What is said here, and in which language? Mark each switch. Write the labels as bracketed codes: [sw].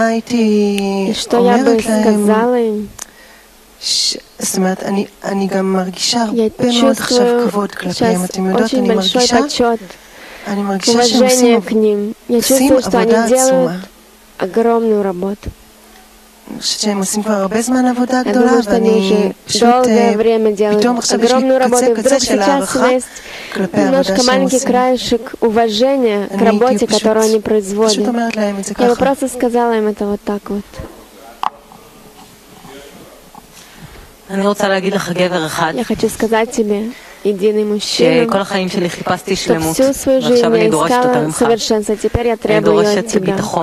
[ru] И что я бы сказала им? Я чувствую очень большой почет, уважение к ним. Я чувствую, что они делают огромную работу. [he] שהם עושים כבר הרבה זמן עבודה גדולה, ואני פשוט פתאום עכשיו יש לי קצה-קצה של הערכה כלפי העבודה שהם עושים. [ru] Уважение к работе, которую они производят. Я бы просто сказала им это вот так вот. Я хочу сказать тебе, единый мужчина, что всю свою жизнь я искала совершенство, теперь я требую ее от тебя.